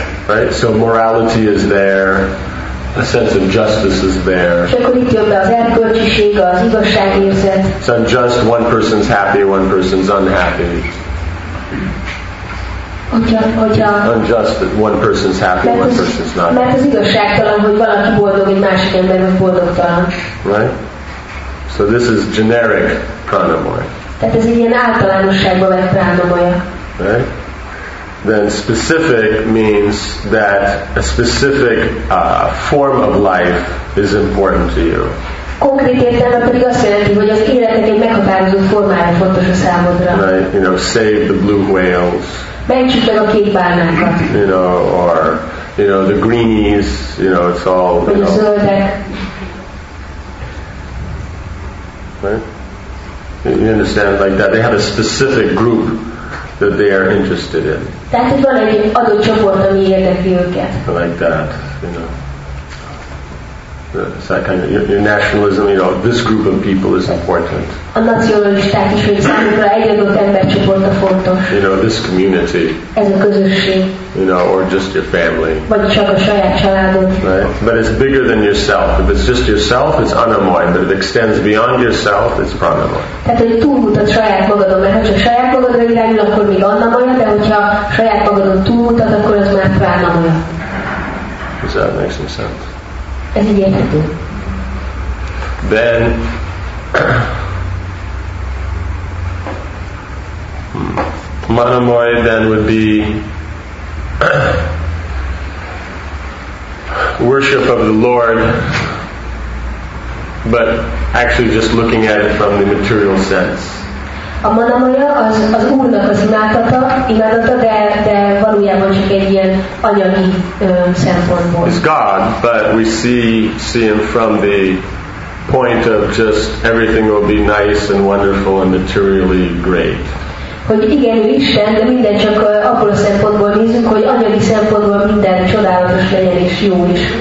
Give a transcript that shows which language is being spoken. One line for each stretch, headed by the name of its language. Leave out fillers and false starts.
English: Right? So morality is there, a sense of justice is there. It's not just one person's happy, one person's unhappy. Unjust that one person's happy, one person's not.
Hungarian: Mert az igazságtalan, hogy valaki boldog, egy másik ember meg boldogtalan.
English: Right? So this is generic pranamaya.
Hungarian: Tehát ez egy ilyen általánosságba vett pranamaya.
English: Right? Then specific means that a specific form of life is important to you.
Hungarian: Konkrét értelme pedig azt jelenti, hogy az életnek egy meghatározó formája fontos a számodra.
English: Right? You know, save the blue whales.
Hungarian: Mentsük meg a kékbálnákat.
English: You know, or, you know, the greenies, you know, it's all, you know.
Hungarian: A zöldek.
English: Right? You understand like that? They have a specific group that they are interested in.
Hungarian: Tehát itt van egy adott csoport, ami érdekli őket.
English: Like that, you know. So that kind of your nationalism, you know, this group of people is important.
Hungarian: A nacionalisták is, hogy számukra egy adott embercsoport a fontos.
English: You know, this community.
Hungarian: Ez a közösség.
English: You know, or just your family.
Hungarian: Vagy csak a saját családod.
English: Right? But it's bigger than yourself. If it's just yourself, it's anamoy. But it extends beyond yourself, it's pranamoy.
Hungarian: Tehát, hogy túlmutat saját magadon, mert ha csak saját magadra irányul, akkor még anamoy, de hogyha saját magadon túlmutat, akkor az már pranamoy.
English: Does that make some sense?
Hungarian: Ez így érhető.
English: Then, pranamaya then would be worship of the Lord. but actually just looking at it from the material sense.
Hungarian: A manamaya az Úrnak az imádata, de valójában csak egy ilyen anyagi szempontból.
English: It's God, but we see him from the point of just everything will be nice and wonderful and materially great.
Hungarian: Hogy igen, ő Isten, de minden csak abból a szempontból nézünk, hogy anyagi szempontból minden csodálatos legyen és jó is.